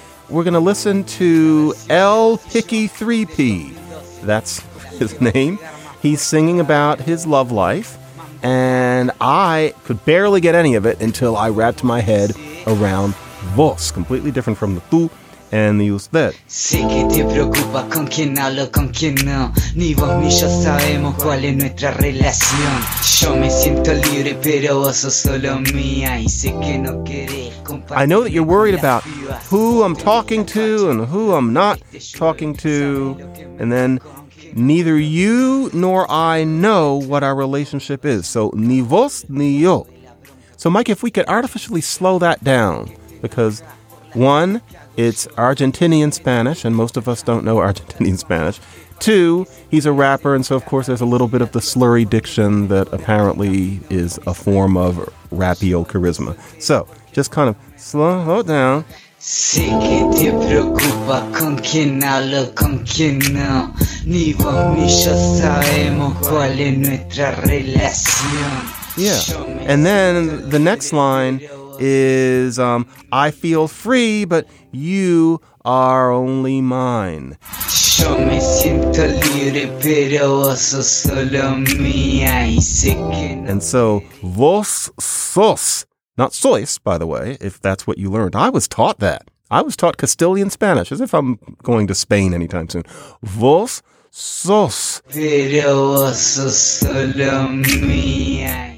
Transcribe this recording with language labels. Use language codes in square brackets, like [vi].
[en] We're going to listen to El Picky 3P. That's his name. He's singing about his love life. And I could barely get any of it until I wrapped my head around vos, completely different from the tú. And the usted. [es] Sé que te preocupa con quien hablo, con quien no. Ni vos ni yo sabemos cuál es nuestra relación. Yo me siento libre, pero vos sos solo mía. Y sé que no querés compartir. [en] I know that you're worried about who I'm talking to and who I'm not talking to. And then neither you nor I know what our relationship is. So ni vos ni yo. So Mike, if we could artificially slow that down, because one, it's Argentinian Spanish, and most of us don't know Argentinian Spanish. Two, he's a rapper, and so, of course, there's a little bit of the slurry diction that apparently is a form of rapio charisma. So, just kind of slow it down. [es] Sé que te preocupa con quien hablo, con quien no. Ni vos ni yo sabemos cuál es nuestra relación. [en] Yeah, and then the next line is, I feel free, but you are only mine. [es] Yo me siento libre, pero vos sos solo mía, y sé que no. [en] And so, vos sos, not sois, by the way, if that's what you learned. I was taught that. I was taught Castilian Spanish, as if I'm going to Spain anytime soon. [es] Vos sos. Pero vos sos solo mía.